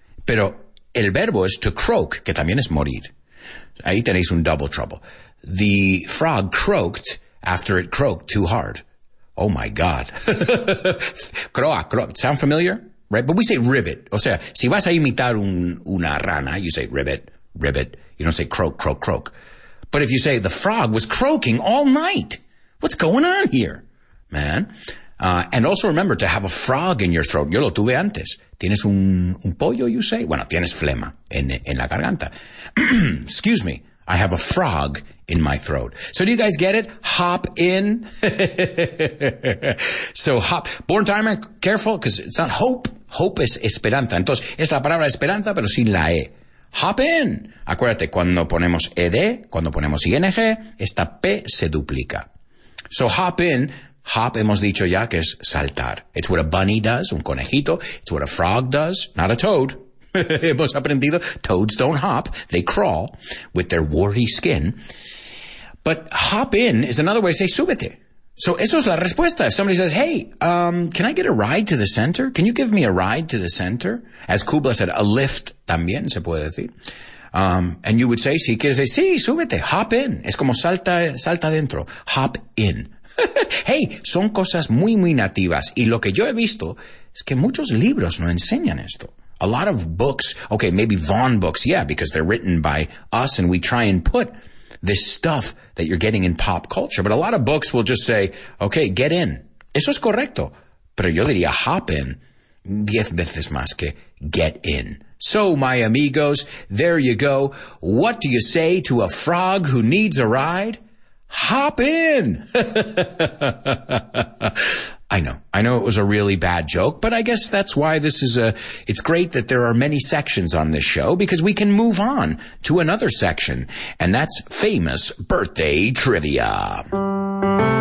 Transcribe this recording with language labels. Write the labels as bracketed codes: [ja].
[es] Pero el verbo es to croak, que también es morir. Ahí tenéis un double trouble. [en] The frog croaked after it croaked too hard. Oh, my God. Croak, croak. Sound familiar? Right? But we say ribbit. [es] O sea, si vas a imitar una rana, [en] you say ribbit, ribbit. You don't say croak, croak, croak. But if you say the frog was croaking all night, what's going on here, man? And also remember to have a frog in your throat. [es] Yo lo tuve antes. ¿Tienes un pollo, [en] you say? [es] Bueno, tienes flema en la garganta. [en] Excuse me. I have a frog in my throat. So do you guys get it? Hop in. So hop. Born to Iron Man, careful, because it's not hope. [es] Hope es esperanza. Entonces, es la palabra esperanza, pero sin la E. Hop in. Acuérdate, cuando ponemos ED, cuando ponemos ING, esta P se duplica. [en] So hop in. [es] Hop, hemos dicho ya, que es saltar. [en] It's what a bunny does, [es] un conejito. [en] It's what a frog does, not a toad. [es] Hemos aprendido, [en] toads don't hop, they crawl with their warty skin. But hop in is another way to say súbete. So [es] eso es la respuesta. [en] If somebody says, hey, can I get a ride to the center? Can you give me a ride to the center? As Kubla said, a lift [es] también se puede decir. [en] And you would say, [es] si quieres decir, sí, súbete, [en] hop in. [es] Es como salta, salta dentro, hop in. Hey, son cosas muy, muy nativas. Y lo que yo he visto es que muchos libros no enseñan esto. [en] A lot of books, okay, maybe Vaughn books, yeah, because they're written by us and we try and put this stuff that you're getting in pop culture. But a lot of books will just say, okay, get in. [es] Eso es correcto. Pero yo diría hop in 10 veces más que get in. [en] So, my amigos, there you go. What do you say to a frog who needs a ride? Hop in! I know it was a really bad joke, but I guess that's why this is a, it's great that there are many sections on this show, because we can move on to another section, and that's famous birthday trivia.